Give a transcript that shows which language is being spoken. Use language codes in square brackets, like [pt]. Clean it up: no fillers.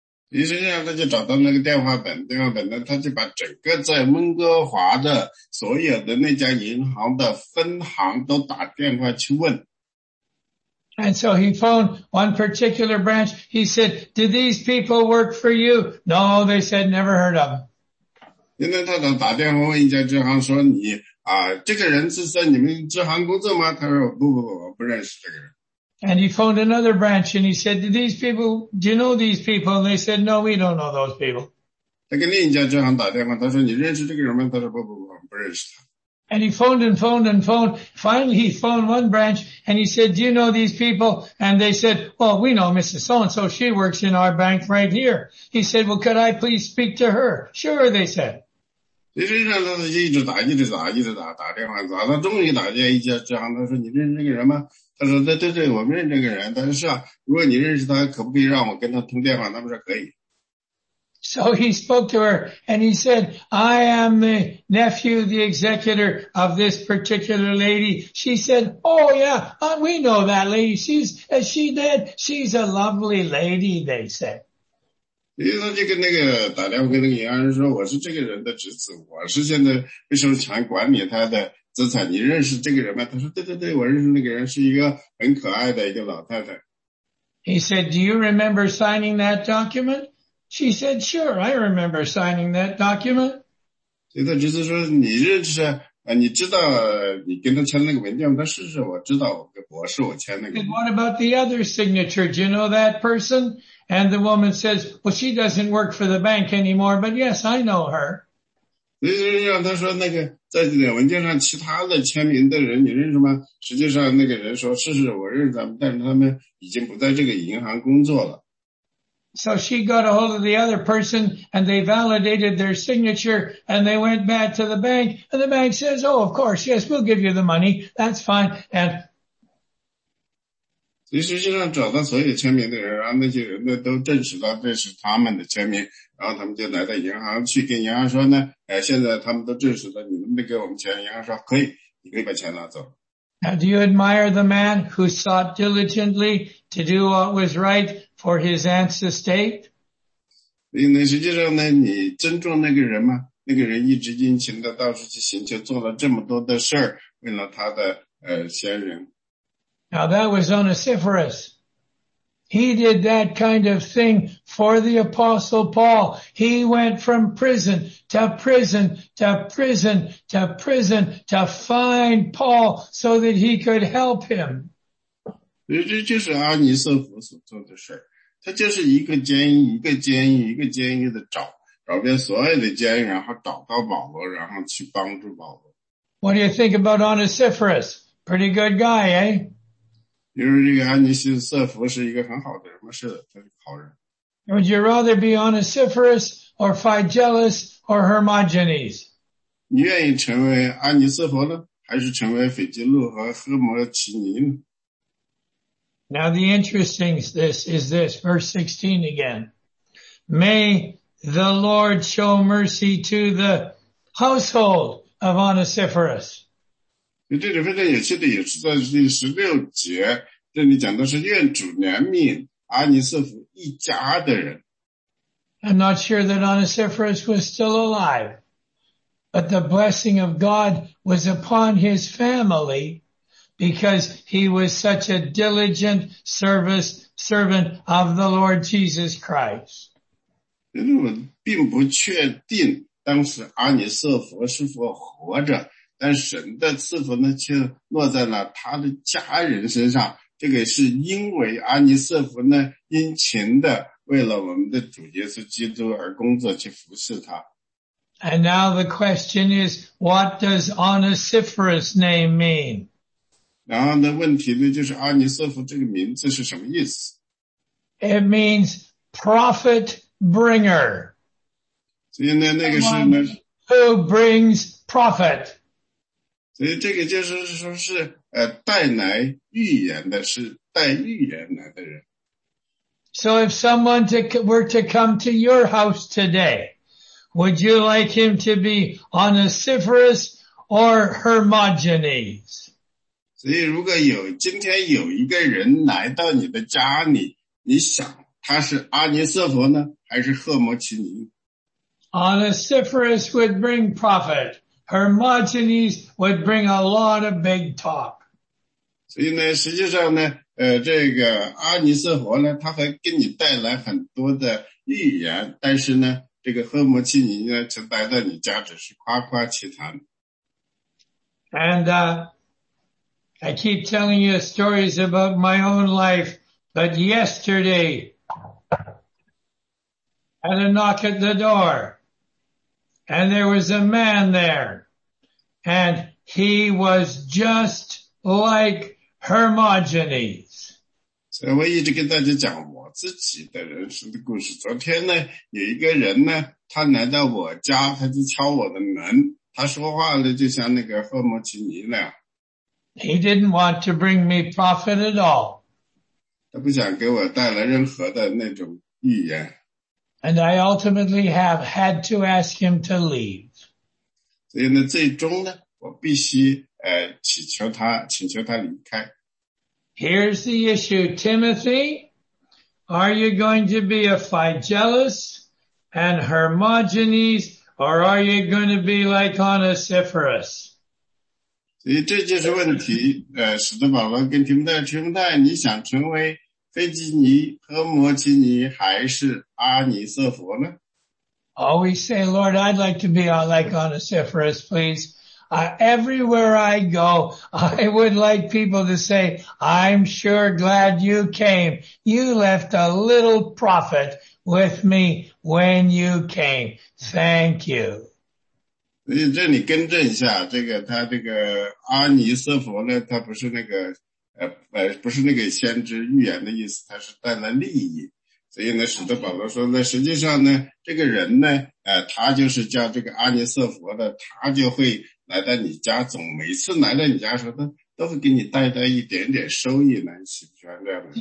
[zh] 于是呢，他就找到那个电话本，电话本呢，他就把整个在温哥华的所有的那家银行的分行都打电话去问。 [en] And so he phoned one particular branch. He said, "Do these people work for you?" No, they said, "Never heard of them." [zh] 因为他打电话问一家支行说你啊，这个人是在你们支行工作吗？他说不不不，我不认识这个人。 [en] And he phoned another branch and he said, "Do these people, do you know these people?" And they said, "No, we don't know those people." [zh] 他跟另一家支行打电话，他说你认识这个人吗？他说不不不，我不认识他。 [en] And he phoned and phoned and phoned. Finally, he phoned one branch and he said, "Do you know these people?" And they said, "Well, we know Mrs. So-and-so. She works in our bank right here." He said, "Well, could I please speak to her?" "Sure," they said. [zh] 实际上他就一直打，一直打，一直打，打电话，打到终于打见一家支行，他说你认识这个人吗？他说对对对，我们认识这个人，但是啊，如果你认识他，可不可以让我跟他通电话？他们说可以。 [en] So he spoke to her and he said, "I am the nephew, the executor of this particular lady." She said, "Oh yeah, we know that lady. She's, as she did, she's a lovely lady," they said. [zh] 于是他就跟那个打电话跟那个银行人说，我是这个人的侄子，我是现在受权管理他的资产，你认识这个人吗？他说对对对，我认识那个人，是一个很可爱的一个老太太。 [en] He said, "Do you remember signing that document?" She said, "Sure, I remember signing that document." [zh] 所以他侄子说，你认识，你知道你跟他签那个文件吗？他说是，我知道，我跟博士我签那个。 [en] And what about the other signature? Do you know that person? And the woman says, "Well, she doesn't work for the bank anymore, but yes, I know her." [zh] 所以就让他说那个在这个文件上其他的签名的人你认识吗？实际上那个人说，是是，我认识他们，但是他们已经不在这个银行工作了。 [en] So she got a hold of the other person and they validated their signature and they went back to the bank and the bank says, "Oh, of course, yes, we'll give you the money. That's fine." And [zh] 实际上找到所有签名的人，然后那些人都证实到这是他们的签名，然后他们就来到银行去跟银行说呢，现在他们都证实了，你们没给我们钱，银行说可以，你可以把钱拿走。 [en] Now, do you admire the man who sought diligently to do what was right for his aunt's estate? [zh] 那实际上呢，你尊重那个人吗？那个人一直殷勤的到处去寻求，做了这么多的事儿，为了他的先人。 [en] Now that was Onesiphorus. He did that kind of thing for the Apostle Paul. He went from prison to prison to prison to prison to find Paul so that he could help him. [zh] 这就是阿尼瑟弗所做的事儿。他就是一个监狱，一个监狱，一个监狱的找，找遍所有的监狱，然后找到保罗，然后去帮助保罗。 [en] What do you think about Onesiphorus? Pretty good guy, eh? [zh] 比如这个安尼西瑟夫是一个很好的人吗？是的，他是好人。 [en] Would you rather be Onesiphorus or Phygellus or Hermogenes? [zh] 你愿意成为安尼瑟夫呢，还是成为斐吉禄和赫摩奇尼呢？ [en] Now the interesting this is this, verse 16 again. May the Lord show mercy to the household of Onesiphorus. [zh] 这里非常有趣的也是在第十六节，这里讲的是愿主怜悯阿尼瑟弗一家的人。 [en] I'm not sure that Onesiphorus was still alive, but the blessing of God was upon his family because he was such a diligent servant of the Lord Jesus Christ. [zh] 因为我并不确定当时阿尼瑟弗是否活着。但神的赐福呢，却落在了他的家人身上。这个是因为阿尼瑟弗呢，殷勤的为了我们的主耶稣基督而工作，去服侍他。 [en] And now the question is, what does Onesiphorus' name mean? [zh] 然后呢，问题呢，就是阿尼瑟弗这个名字是什么意思 [en] ？It means prophet bringer. [zh] 所以呢，那个是呢 [en] ，Who brings prophet? [zh] 所以这个就是说是带来预言的，是带预言来的人。 [en] So if someone were to come to your house today, would you like him to be Onesiphorus or Hermogenes? [zh] 所以如果有今天有一个人来到你的家里，你想他是阿尼瑟佛呢，还是赫摩奇尼？ [en] Onesiphorus would bring profit. Hermogenes would bring a lot of big talk. [zh] 所以呢，实际上呢，这个阿尼瑟佛呢，他会给你带来很多的预言，但是呢，这个赫摩奇尼呢，就来到你家只是夸夸其谈。 [en] And, I keep telling you stories about my own life, but yesterday, I had a knock at the door, and there was a man there, and he was just like Hermogenes. So, [zh] 我一直跟大家讲我自己的人生的故事。昨天呢，有一个人呢，他来到我家，他就敲我的门，他说话呢，就像那个赫摩奇尼那样。 [en] He didn't want to bring me profit at all. [zh] 他不想给我带来任何的那种预言。 [en] And I ultimately have had to ask him to leave. [zh] 所以呢，最终呢，我必须请求他离开。 [en] Here's the issue, Timothy. Are you going to be a Phygellus and Hermogenes, or are you going to be like Onesiphorus? [zh] 所以这就是问题，使徒保罗跟提摩太，你想成为腓基尼、赫摩奇尼还是阿尼瑟佛呢？ [en] Always say, Lord, I'd like to be like Onesiphorus, please. Everywhere I go, I would like people to say, I'm sure glad you came. You left a little profit with me when you came. Thank you. [zh] 所以这里更正一下，他阿尼瑟佛呢，他不是那个不是那个先知预言的意思，他是带来利益。所以呢，使徒保罗说呢，实际上呢，这个人呢，他就是叫这个阿尼瑟佛的，他就会来到你家，总每次来到你家的时候，都会给你带来一点点收益呢，是不是这样的？